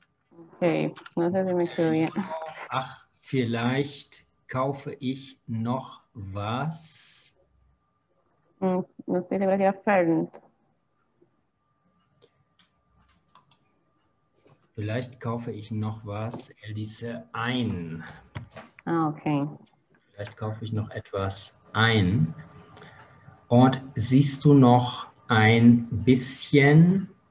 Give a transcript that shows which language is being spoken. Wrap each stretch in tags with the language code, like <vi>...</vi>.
<es>Okay, no sé si me quedo bien.</es> <de>Ach, vielleicht kaufe ich noch was.</de> <es>No estoy segura si era fern.</es> <de>Vielleicht kaufe ich noch was, er ließe ein. Ah, okay. Vielleicht kaufe ich noch etwas ein. Und siehst du noch ein bisschen?</de>